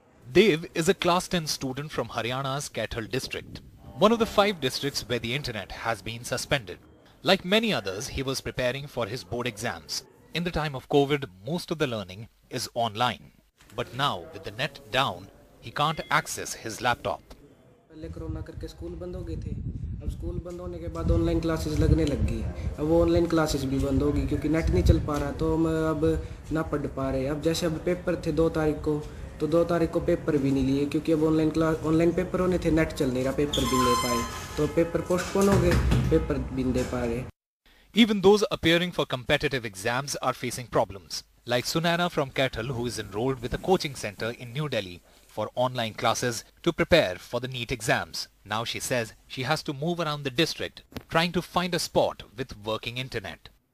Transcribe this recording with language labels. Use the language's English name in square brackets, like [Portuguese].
[English] Dev is a class 10 student from Haryana's Kaithal district, one of the five districts where the internet has been suspended. Like many others, he was preparing for his board exams. In the time of COVID, most of the learning is online. But now, with the net down, he can't access his laptop. [Hindi] पहले corona करके school बंद हो गए थे. अब school बंद होने के बाद ऑनलाइन क्लासेस लगने लग गई. अब वो ऑनलाइन क्लासेस भी बंद होगी क्योंकि नेट नहीं चल पा रहा. तो हम अब ना पढ़ पा रहे. अब जैसे अब पेपर थे 2 तारीख को, तो 2 तारीख को पेपर भी नहीं लिए क्योंकि अब ऑनलाइन क्लास ऑनलाइन पेपर होने थे. नेट चल नहीं रहा, पेपर भी नहीं ले पाए. तो पेपर पोस्टपोन हो गए, पेपर भी नहीं दे पा रहे. [English] Even those appearing for competitive exams are facing problems, like Sunaina from Kaithal, who is enrolled with a coaching center in New Delhi for online classes to prepare for the NEET exams. Now she says she has to move around the district trying to find a spot with working internet.